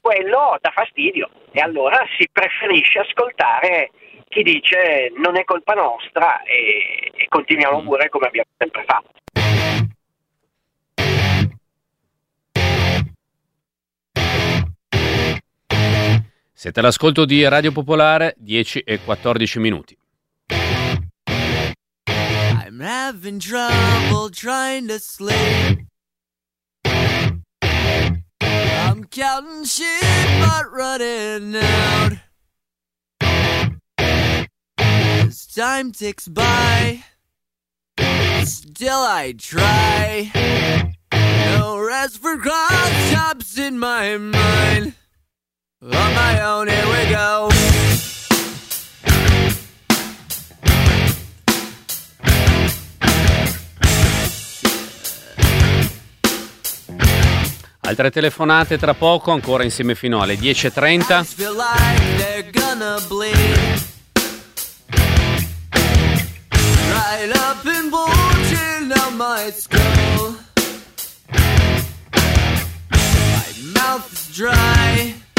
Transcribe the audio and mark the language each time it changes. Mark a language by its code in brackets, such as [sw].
[it] Quello dà fastidio e allora si preferisce ascoltare chi dice non è colpa nostra e continuiamo pure come abbiamo sempre fatto. Siete all'ascolto di Radio Popolare, 10 e 14 minuti. [en] I'm having trouble trying to sleep. I'm counting sheep but running out. As time ticks by, still I try. No rest for crosstabs in my mind. On my own, here we go. [it] Altre telefonate tra poco, ancora insieme fino alle 10:30. [en] I feel like they're gonna bleed. Right up and bulging out my skull. My mouth is dry.